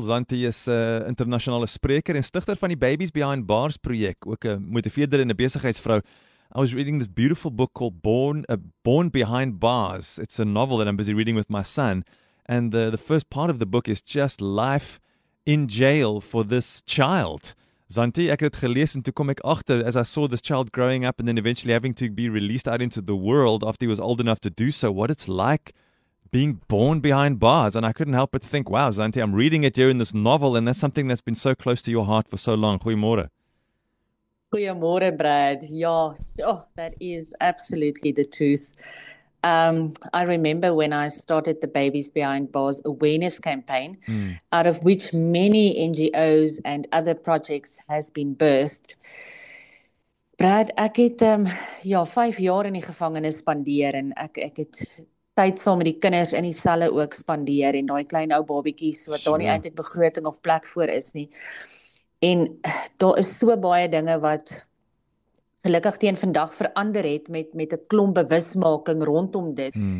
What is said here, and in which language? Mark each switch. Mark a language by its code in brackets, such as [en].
[af] Zanti is 'n internasionale spreker en stigter van die Babies Behind Bars projek, ook 'n motiveerder en 'n besigheidsvrou. [en] I was reading this beautiful book called Born Behind Bars. It's a novel that I'm busy reading with my son. And the first part of the book is just life in jail for this child. Zanti, [af] ek het gelees en toe kom ek agter, [en] as I saw this child growing up and then eventually having to be released out into the world after he was old enough to do so, what it's like being born behind bars. And I couldn't help but think, wow, Zanti, I'm reading it here in this novel and that's something that's been so close to your heart for so long. [af] Goeiemôre. [en] Goeiemôre, Brad. Ja, oh, that is absolutely the truth. I remember when I started the Babies Behind Bars awareness campaign, out of which many NGOs and other projects has been birthed. [af] Brad, ek het 5 jaar in die gevangenis spandeer en ek het tyd saam met die kinders in die selle ook spandeer en daai klein ou babietjies wat daar nie eintlik begroting of plek voor is nie. En daar is so baie dinge wat gelukkig teen vandag verander het met 'n klomp bewusmaking rondom dit.